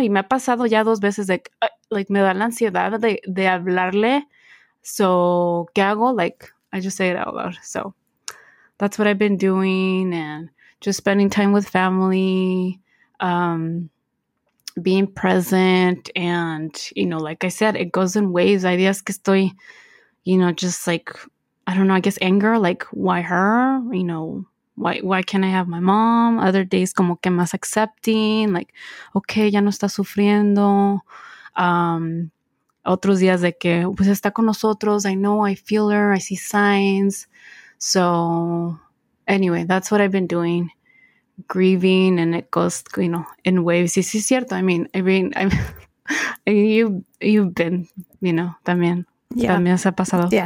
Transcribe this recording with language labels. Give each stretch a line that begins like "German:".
Spanish: Y me ha pasado ya dos veces, like, me da la ansiedad de hablarle.
English: So,
Spanish: ¿qué hago?
English: Like, I just say it out loud. So that's what I've been doing, and just spending time with family, being present, and, you know, like I said, it goes in waves. I guess
Spanish: que estoy,
English: you know, just, like, I don't know, I guess anger, like, why her? You know, Why can't I have my mom? Other days,
Spanish: como que más accepting, like, okay, ya no está sufriendo. Otros días de que, pues está con nosotros.
English: I know, I feel her, I see signs. So, anyway, that's what I've been doing. Grieving, and it goes, you know, in waves.
Spanish: Sí, sí, es cierto.
English: I mean, you've been, you know,
Spanish: también. Yeah. También se ha pasado, yeah.